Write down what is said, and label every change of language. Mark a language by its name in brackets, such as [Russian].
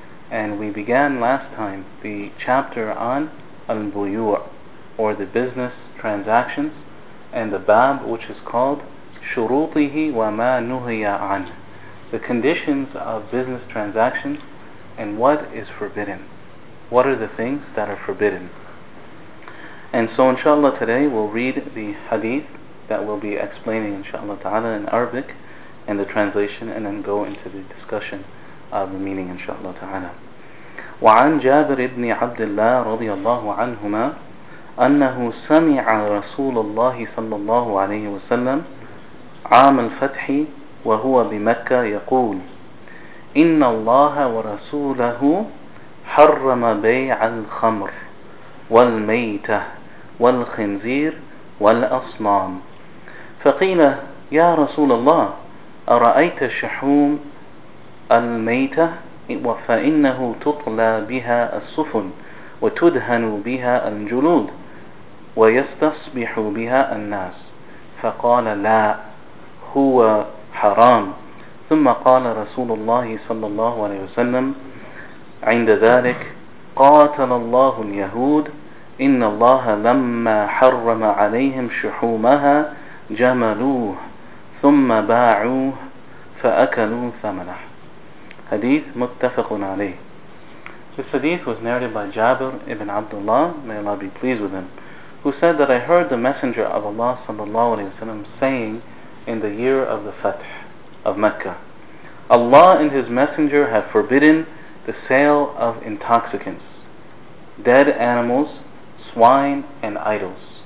[English] And we began last time the chapter on al-buyu', or the business transactions, and the bab, which is called shurutihi wa ma nuhiya an, the conditions of business transactions and what is forbidden. What are the things that are forbidden? And so inshallah today we'll read the hadith that we'll be explaining inshallah ta'ala in Arabic and the translation, and then go into the discussion of the meaning inshallah ta'ala. [Arabic] وعن جابر بن عبد الله رضي الله عنهما أنه سمع رسول الله صلى الله عليه وسلم عام الفتح وهو بمكة يقول إن الله ورسوله حرم بيع الخمر والميتة والخنزير والأصنام فقيل يا رسول الله أرأيت شحوم الميتة فإنه تطلى بها السفن وتدهن بها الجلود ويستصبح بها الناس فقال لا هو حرام ثم قال رسول الله صلى الله عليه وسلم عند ذلك قاتل الله اليهود إن الله لما حرم عليهم شحومها جملوه ثم باعوه فأكلوا ثمنه. حديث متفق عليه. [English] This hadith was narrated by Jabir ibn Abdullah, may Allah be pleased with him, who said that I heard the Messenger of Allah [Arabic] صلى الله عليه وسلم [English] saying in the year of the Fath of Mecca, Allah and His Messenger have forbidden the sale of intoxicants, dead animals, swine, and idols.